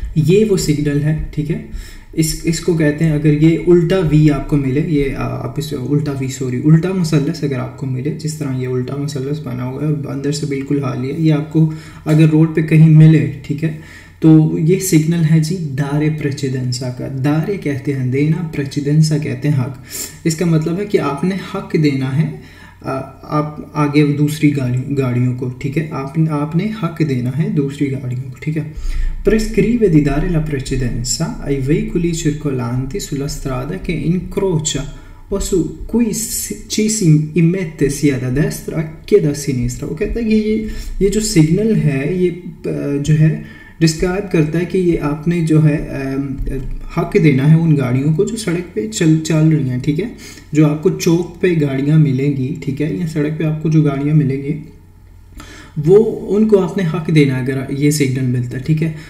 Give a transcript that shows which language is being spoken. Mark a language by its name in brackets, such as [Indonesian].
[Hindi] ये वो सिग्नल है, ठीक है। इसको कहते हैं अगर ये उल्टा वी आपको मिले, ये आप इस उल्टा वी सॉरी उल्टा मुसल्लस अगर आपको मिले, जिस तरह ये उल्टा मुसल्लस बना हुआ है अंदर से बिल्कुल खाली है, ये आपको अगर रोड पे कहीं मिले, ठीक है, तो ये सिग्नल है जी दायरे प्रेसिडेंसा का। दायरे कहते हैं देना, प्रेसिडेंसा कहते हैं हक। इसका मतलब है कि आपने हक देना है आप आगे दूसरी गाड़ियों को, ठीक है, आपने हक देना है दूसरी गाड़ियों को, ठीक है। [Italian] Prescrive di dare la precedenza ai veicoli circolanti sulla strada che incrocia o su cui ci si immette sia da destra che da sinistra. [Hindi] वो कहता है कि ये जो सिग्नल है ये जो है डिस्क्राइब करता है कि ये आपने जो है हक देना है उन गाड़ियों को जो सड़क पे चल रही हैं, ठीक है, जो आपको चौक पे गाड़ियाँ मिलेंगी, ठीक है, या सड़क पे आपको जो गाड़ियाँ मिलेंगी वो उनको आपने हक देना है अगर ये सिग्नल मिलता है, ठीक है।